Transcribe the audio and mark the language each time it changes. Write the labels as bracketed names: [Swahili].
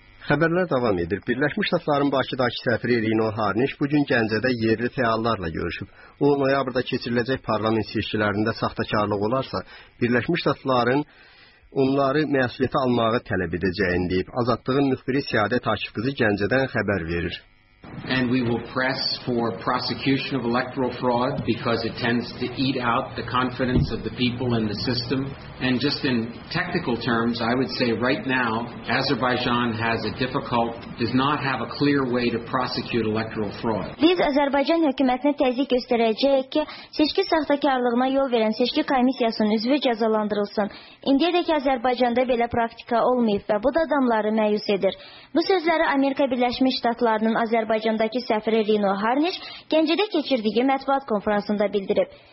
[Azerbaijani] Xəbərlər davam edir. Birləşmiş Ştatların Bakıdakı səfiri Rino Harniş bugün Gəncədə yerli fəallarla görüşüb. O, noyabrda keçiriləcək parlament seçkilərində saxtakarlıq olarsa, Birləşmiş Ştatların onları məsuliyyətə almağı tələb edəcəyini deyib. Azadlığın müxbiri Siyadət Akifqızı Gəncədən xəbər verir. [English] And we will press for prosecution of electoral fraud because it tends to eat out the confidence of the people in the system. And just in technical terms, I would say right now, Azerbaijan has a difficult, does not have a clear way to prosecute electoral fraud. [Azerbaijani] Biz Azərbaycan hökumətinə təzyiq göstərəcəyik ki, seçki saxtakarlığına yol verən seçki komissiyasının üzvü cəzalandırılsın. İndiyə dək Azərbaycanda belə praktika olmayıb və bu da adamları məyus edir. Bu sözləri Amerika Birləşmiş Ştatlarının Azərbaycandakı səfiri Rino Harniş Gəncədə keçirdiyi mətbuat konfransında bildirib.